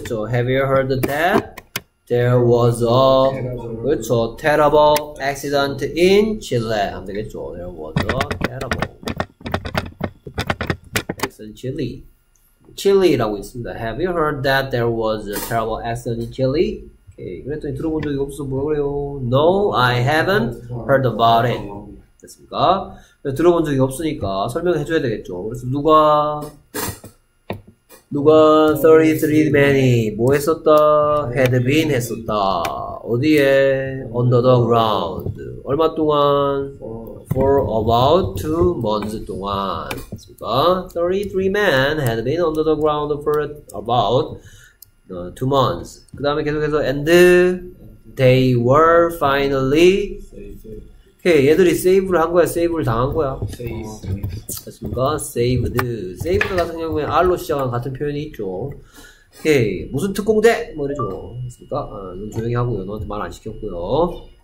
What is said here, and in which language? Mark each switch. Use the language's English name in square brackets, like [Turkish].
[English] Have you heard that there was a terrible accident in Chile? [Korean] 안 되겠죠. [English] There was a terrible accident in Chile. Chile라고 있습니다. Have you heard that there was a terrible accident in Chile? Okay. [Korean] 그랬더니 들어본 적이 없어. 뭐라 그래요? [English] No, I haven't heard about it. [Korean] 됐습니까? 들어본 적이 없으니까 설명을 해줘야 되겠죠. 그래서 누가 33 man이 뭐 했었다? [English] had been [Korean] 했었다. 어디에? [English] on the ground. [Korean] 얼마 동안? [English] for about 2 months 동안. 33 man had been under the ground for about 2 months. [Korean] 그 다음에 계속해서 [English] and they were finally. [Korean] 오케이, 얘들이 세이브를 한 거야, 세이브를 당한 거야. 됐습니까? 세이브드. 세이브드 같은 경우에 R로 시작한 같은 표현이 있죠. 오케이, 무슨 특공대? 뭐 이러죠. 됐습니까? 아, 넌 조용히 하고요. 너한테 말안 시켰고요.